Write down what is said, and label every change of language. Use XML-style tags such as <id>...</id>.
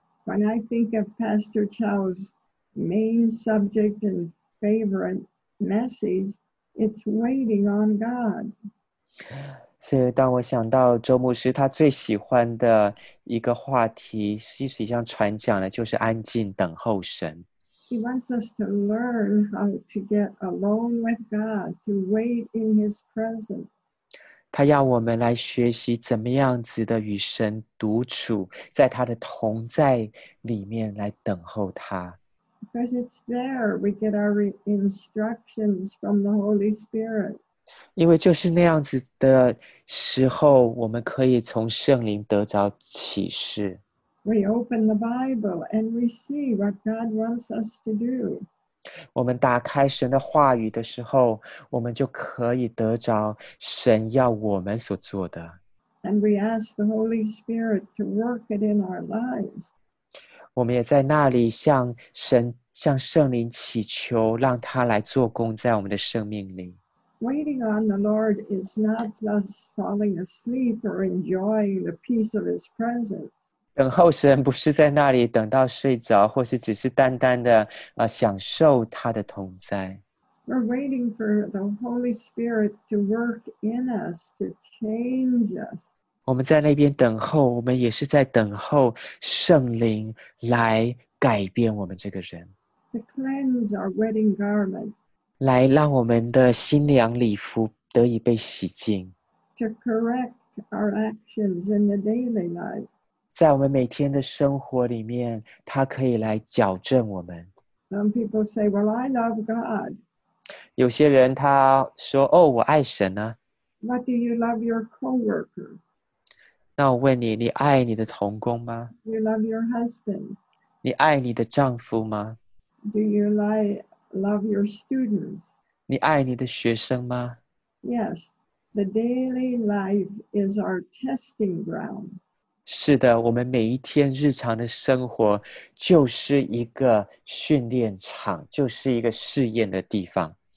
<en>When I think of Pastor Chow's main subject and favorite message, it's waiting on God.</en> <zh>所以当我想到周牧师他最喜欢的一个话题，其实像传讲的就是安静等候神。</zh> <en>He wants us to learn how to get alone with God, to wait in His presence.</en> <zh>他要我们来学习怎么样子的与神独处，在他的同在里面来等候他。</zh> <en>Because it's there we get our instructions from the Holy Spirit.</en> <zh>因为就是那样子的时候，我们可以从圣灵得着启示。</zh> <en>We open the Bible and we see what God wants us to do.</en> <zh>我们打开神的话语的时候，我们就可以得着神要我们所做的。</zh> <en>And we ask the Holy Spirit to work it in our lives.</en> <zh>我们也在那里向神，向圣灵祈求，让他来做工在我们的生命里。</zh> <en>Waiting on the Lord is not just falling asleep or enjoying the peace of His presence.</en> <zh>等候神不是在那里等到睡着，或是只是单单的享受他的同在。</zh> <en>We're waiting for the Holy Spirit to work in us, to change us.</en> <zh>我们在那边等候，我们也是在等候圣灵来改变我们这个人。</zh> <en>To cleanse our wedding garment.</en> <zh>来让我们的新娘礼服得以被洗净。</zh> <en>To correct our actions in the daily life.</en> <zh>在我们每天的生活里面，他可以来矫正我们。</zh> <en>Some people say, well, I love God.</en> <zh>有些人他说，哦，我爱神啊。</zh> <en>What do you love your co-worker?</en> <zh>那我问你，你爱你的同工吗？</zh> <en>Do you love your husband?</en> <zh>你爱你的丈夫吗？</zh> <en>Do you love your students?</en> <zh>你爱你的学生吗？</zh> <en>Yes, the daily life is our testing ground.</en> <zh>是的，我们每一天日常的生活就是一个训练场，就是一个试验的地方。</zh>